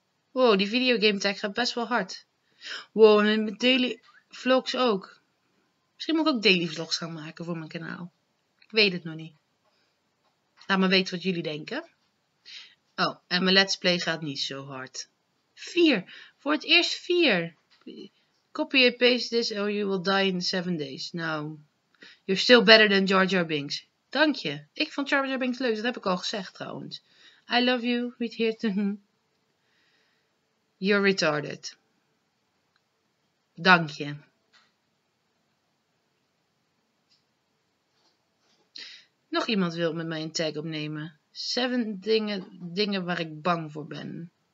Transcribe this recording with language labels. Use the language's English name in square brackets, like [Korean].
[Dutch] Wow, die videogame tag gaat best wel hard. Wow, en met daily vlogs ook. Misschien moet ik ook daily vlogs gaan maken voor mijn kanaal. Ik weet het nog niet. Laat me weten wat jullie denken. Oh, en mijn let's play gaat niet zo hard. 4. Voor het eerst 4. [English] Copy and paste this or you will die in 7 days. Nou, you're still better than Jar Jar Binks. [Dutch] Dank je. Ik vond Jar Jar Binks leuk. Dat heb ik al gezegd trouwens. [English] I love you. We'd hear to... You're retarded. [Dutch] Dank je. Nog iemand wil met mij een tag opnemen. 7 dingen waar ik bang voor ben.